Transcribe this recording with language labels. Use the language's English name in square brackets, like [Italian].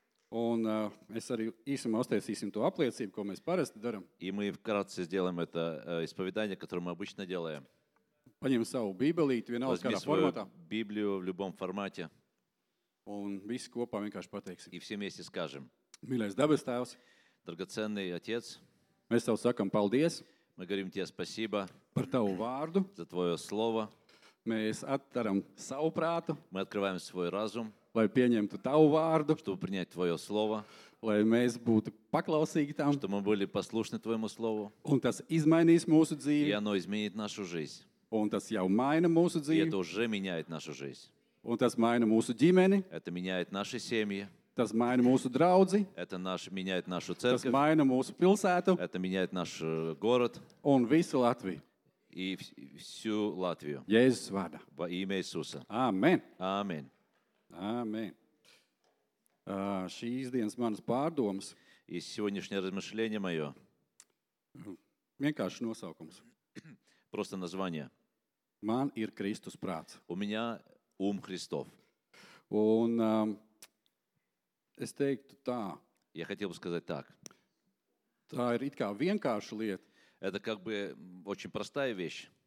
[Latvian] Un mēs arī īsumā uztaisīsim to apliecību, ko mēs parasti daram. [Russian] И мы вкратце сделаем это исповедание, которое мы обычно делаем. [Latvian] Paņem savu bībelīti vienalga kādā formātā. [Russian] Bībliju в любом формате. [Latvian] Un visi kopā vienkārši pateiksim. [Russian] И все вместе скажем. [Latvian] Mīļais dabas tēvs. [Russian] Драгоценный отец. [Latvian] Mēs tev sakam paldies. [Russian] Мы говорим тебе спасибо. [Latvian] Par tavu vārdu. [Russian] За твое слово. [Latvian] Mēs atveram savu prātu. [Russian] Мы открываем свой разум. [Latvian] Lai pieņemtu tavu vārdu. [Russian] Чтобы принять твое слово. [Latvian] Lai mēs būtu paklausīgi tam. [Russian] Чтобы мы были послушны твоему слову. [Latvian] Un tas izmainīs mūsu dzīvi. [Russian] И оно изменит нашу жизнь. [Latvian] Un tas jau maina mūsu dzīvi. [Russian] Это уже меняет нашу жизнь. [Latvian] Un tas maina mūsu ģimeni. [Russian] Это меняет наши семьи. [Latvian] Tas maina mūsu draudzi. [Russian] Это наш меняет нашу церковь. [Latvian] Tas maina mūsu pilsētu. [Russian] Это меняет наш город. [Latvian] Un visu Latviju. [Russian] И всю Латвию. [Latvian] Jēzus vārdā. [Russian] Во имя Иисуса. [Latvian] Amen. [Russian] Amen. [Latvian] Amen. Šīs dienas manas pārdomas. [Russian] И сегодняшнее размышление моё. [Latvian] Vienkārši nosaukums. [Russian] Просто название. [Latvian] Man ir Kristus prāts. [Russian] У меня ум Христов. [Latvian] Un es teiktu tā. [Russian] Я хотел бы сказать так. [Latvian] Tā ir it kā vienkārša lieta. [Russian] Это как бы очень простая вещь.